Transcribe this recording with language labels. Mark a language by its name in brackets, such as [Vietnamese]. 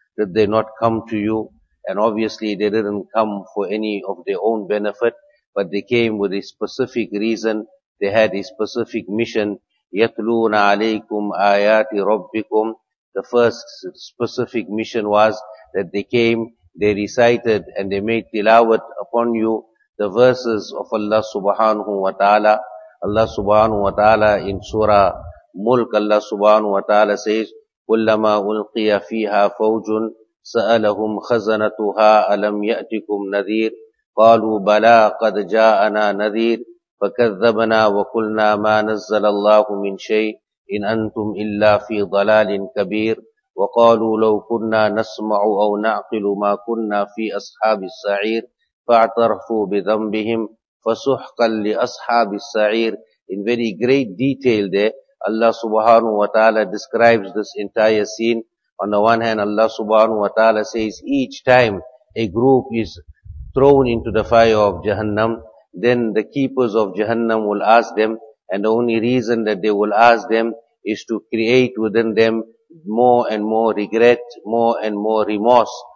[English] Did they not come to you? And obviously they didn't come for any of their own benefit, but they came with a specific reason. They had a specific mission. [Arabic] يَتْلُونَ عَلَيْكُمْ آيَاتِ رَبِّكُمْ, [English] the first specific mission was that they came, they recited and they made tilawat upon you the verses of Allah subhanahu wa ta'ala. Allah subhanahu wa ta'ala in Surah Mulk, Allah subhanahu wa ta'ala says, [Arabic] كُلَّمَا أُلْقِيَ فِيهَا فَوْجٌ سَأَلَهُمْ خَزَنَتُهَا أَلَمْ يَأْتِكُمْ نَذِيرٌ قَالُوا بَلَىٰ قَدْ جَاءَنَا نَذِيرٌ فَكَذَّبْنَا وَقُلْنَا مَا نَزَّلَ اللَّهُ مِنْ شَيْءٍ إِنْ أَنْتُمْ إِلَّا فِي ضَلَالٍ كَبِيرٍ. وقالوا لو كنا نسمع أو نعقل ما كنا في أصحاب السعير فاعترفوا بذنبهم فسحقا لأصحاب السعير. [English] In very great detail there, Allah subhanahu wa ta'ala describes this entire scene. On the one hand, Allah subhanahu wa ta'ala says, each time a group is thrown into the fire of Jahannam, then the keepers of Jahannam will ask them, and the only reason that they will ask them is to create within them more and more regret, more and more remorse.